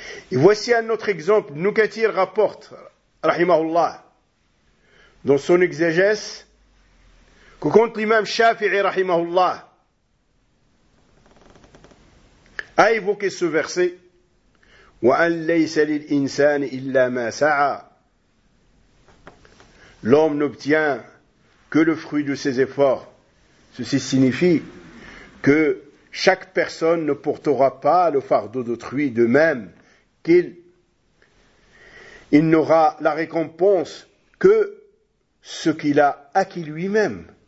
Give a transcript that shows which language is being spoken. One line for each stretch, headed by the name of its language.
French: Et voici un autre exemple. Nukathir rapporte, rahimahullah, dans son exégèse, que quand l'imam Shafi'i, rahimahullah, a évoqué ce verset,
Arabic: وأن ليس للإنسان إلا ما سعى.
French: L'homme n'obtient que le fruit de ses efforts. Ceci signifie que chaque personne ne portera pas le fardeau d'autrui de même qu'il. Il n'aura la récompense que ce qu'il a acquis lui-même.